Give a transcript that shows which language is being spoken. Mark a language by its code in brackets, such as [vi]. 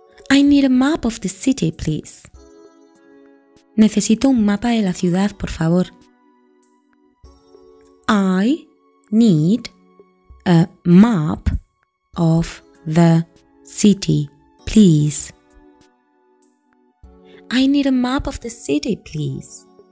[en] I need a map of the city, please. [es] Necesito un mapa de la ciudad, por favor. [en] I need a map of the city, please. I need a map of the city, please.